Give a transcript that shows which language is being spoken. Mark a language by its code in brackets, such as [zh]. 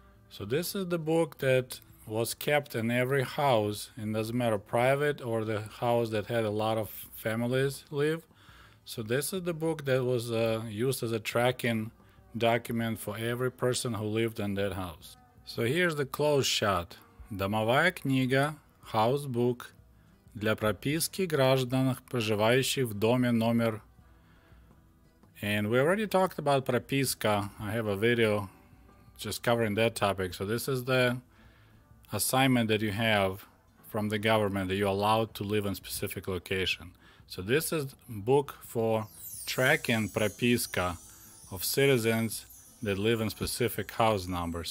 [en] So this is the book that was kept in every house, and doesn't matter private or the house that had a lot of families live. So this is the book that was used as a tracking document for every person who lived in that house. So here's the close shot. [ru] Домовая книга, [en] house book, [ru] для прописки граждан, проживающих в доме номер. [en] And we already talked about прописка. I have a video just covering that topic. So this is the assignment that you have from the government that you're allowed to live in a specific location. So this is book for tracking prepiska of citizens that live in specific house number.